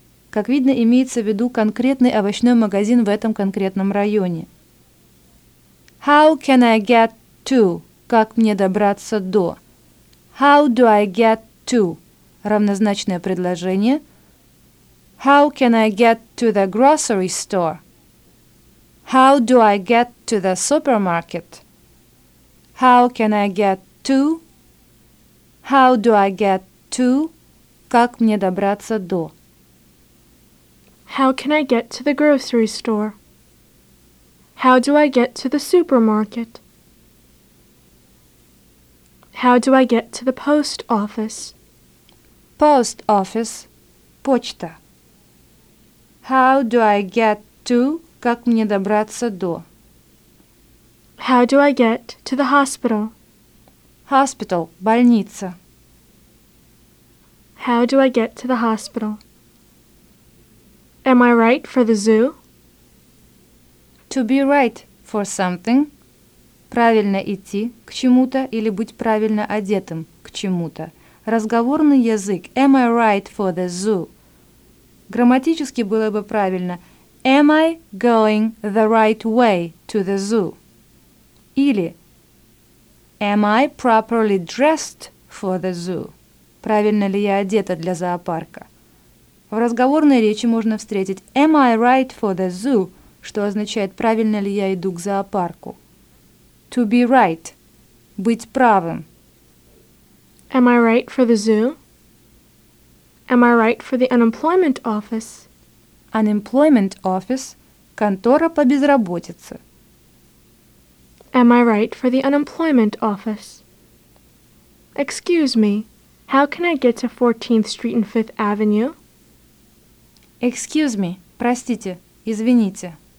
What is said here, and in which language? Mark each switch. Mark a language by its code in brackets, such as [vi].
[ru] Как видно, имеется в виду конкретный овощной магазин в этом конкретном районе. [en] How can I get to? [ru] Как мне добраться до? [en] How do I get to? [ru] Равнозначное предложение. [en] How can I get to the grocery store? How do I get to the supermarket? How can I get to? How do I get to? [ru] Как мне добраться до? [en] How can I get to the grocery store? How do I get to the supermarket? How do I get to the post office? Post office. [ru] Почта. [en] How do I get to? [ru] Как мне добраться до? [en] How do I get to the hospital? Hospital. [ru] Больница. [en] How do I get to the hospital? Am I right for the zoo? To be right for something. [ru] Правильно идти к чему-то или быть правильно одетым к чему-то. Разговорный язык. [en] Am I right for the zoo? [ru] Грамматически было бы правильно. [en] Am I going the right way to the zoo? Или Am I properly dressed for the zoo? [ru] Правильно ли я одета для зоопарка? В разговорной речи можно встретить [en] «Am I right for the zoo?», [ru] что означает «Правильно ли я иду к зоопарку?». [en] To be right. [ru] Быть правым. [en] Am I right for the zoo? Am I right for the unemployment office? Unemployment office. [ru] Контора по безработице. [en] Am I right for the unemployment office? Excuse me. How can I get to 14th Street and 5th Avenue? Excuse me, [ru] простите, извините.